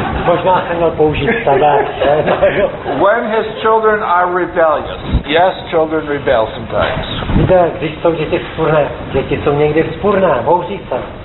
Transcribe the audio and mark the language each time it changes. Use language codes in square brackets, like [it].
[cs] Možná jsem měl použít tebe. [en] When his children are rebellious. Yes, children rebel sometimes. [cs] Víte, když jsou děti vzpůrné, děti jsou někdy vzpůrné, bouří se.